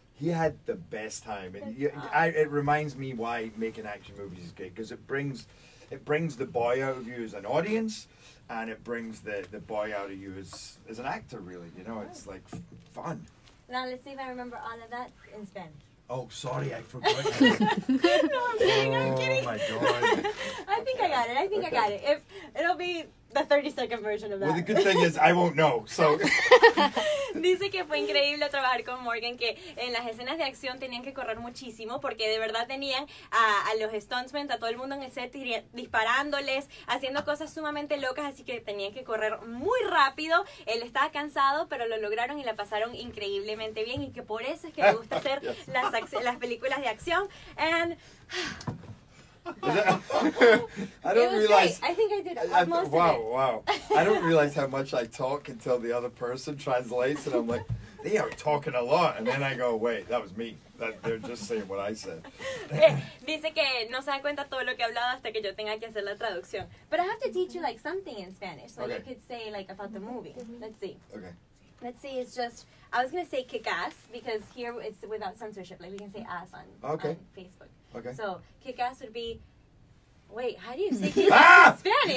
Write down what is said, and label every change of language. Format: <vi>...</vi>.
<en>He had the best time, and it reminds me why making action movies is good, because it brings the boy out of you as an audience, and it brings the boy out of you as an actor, really, you know, it's like fun. Now, let's see if I remember all of that in Spanish. Oh, sorry, I forgot. No, I'm kidding, oh, I'm kidding. Oh, my God. I think I got it. It'll be the 30-second version of that. Well, the good thing is, I won't know, so...</en> <es>Dice que fue increíble trabajar con Morgan, que en las escenas de acción tenían que correr muchísimo, porque de verdad tenían a los stuntmen, a todo el mundo en el set, disparándoles, haciendo cosas sumamente locas, así que tenían que correr muy rápido. Él estaba cansado, pero lo lograron y la pasaron increíblemente bien, y que por eso es que le gusta hacer las películas de acción.</es> <en>And... I don't realize. Great. I think I did almost. Wow! I don't realize how much I talk until the other person translates, and I'm like, they are talking a lot, and then I go, wait, that was me. That they're just saying what I said.</en> <es>Dice que no se da cuenta todo lo que hablaba hasta que yo tenga que hacer la traducción.</es> <en>But I have to teach you like something in Spanish, so okay. You could say like about the movie. Let's see. Okay. Let's see. It's just I was gonna say kick ass because here it's without censorship. Like we can say ass on Facebook. Okay. So, kick ass would be. Wait, how do you say kick ass in Spanish?</en>